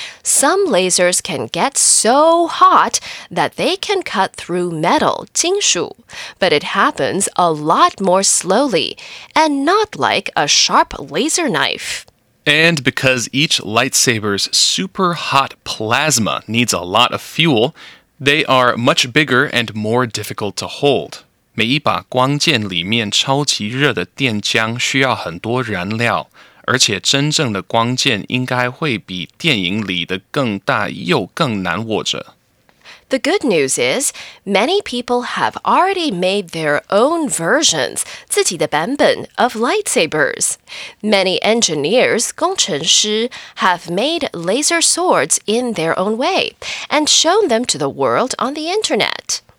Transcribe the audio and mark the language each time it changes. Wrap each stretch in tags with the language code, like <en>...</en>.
<en>Some lasers can get so hot that they can cut through metal, 金属, but it happens a lot more slowly and not like a sharp laser knife. And because each lightsaber's super hot plasma needs a lot of fuel, they are much bigger and more difficult to hold.</en> <zh>每一把光剑里面超级热的电浆需要很多燃料，而且真正的光剑应该会比电影里的更大又更难握着。</zh> <en>The good news is, many people have already made their own versions,</en> <zh>自己的版本</zh> <en>of lightsabers. Many engineers, 工程师, have made laser swords in their own way, and shown them to the world on the internet.</en>